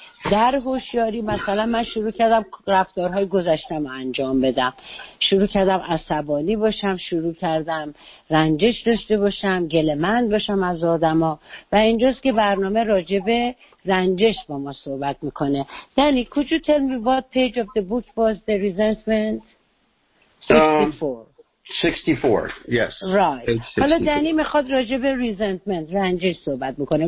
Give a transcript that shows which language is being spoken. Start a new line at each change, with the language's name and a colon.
Persian: در هوشیاری مثلا من شروع کردم رفتارهای گذشتم انجام بدم، شروع کردم عصبانی باشم، شروع کردم رنجش داشته باشم، گله‌مند باشم از آدم ها. و اینجاست که برنامه راجع به رنجش با ما صحبت میکنه. یعنی
English: could you tell me what page of the book was the resentment? 64. Yes. Right. 64.
Persian: حالا دنی میخواد راجع به resentment، رنجش صحبت بکنه.